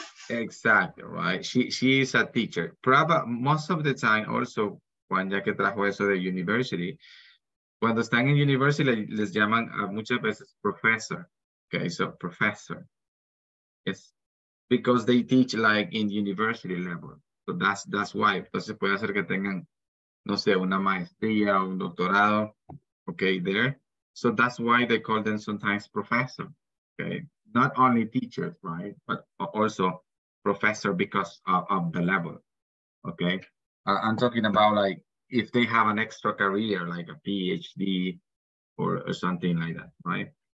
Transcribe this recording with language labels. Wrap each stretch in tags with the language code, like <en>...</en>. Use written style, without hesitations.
<en>Exactly, right? She is a teacher. Probably most of the time also, Juan,</en> <es>ya que trajo eso de university, cuando están en university, les llaman muchas veces professor.</es> <en>Okay, so professor. Yes, because they teach like in university level. So that's why.</en> <es>Entonces puede ser que tengan, no sé, una maestría o un doctorado.</es> <en>Okay, there. So that's why they call them sometimes professor. Okay, not only teachers, right? But also professor because of the level. Okay, I'm talking about like, if they have an extra career, like a PhD or something like that, right?</en>